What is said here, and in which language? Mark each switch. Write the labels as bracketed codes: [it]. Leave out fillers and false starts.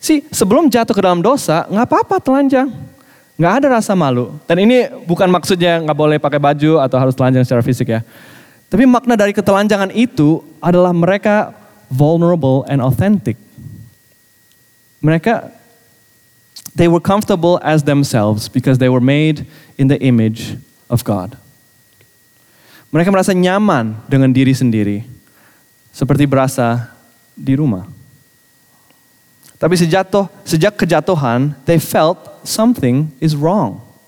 [id] Sebelum jatuh ke dalam dosa, gak apa-apa telanjang. Gak ada rasa malu. Dan ini bukan maksudnya gak boleh pakai baju atau harus telanjang secara fisik ya. Tapi makna dari ketelanjangan itu adalah mereka [en] vulnerable and authentic. [id] Mereka, [en] they were comfortable as themselves because they were made in the image of God. [id] Mereka merasa nyaman dengan diri sendiri, seperti berasa di rumah. Tapi sejak kejatuhan, [en] they felt something is wrong.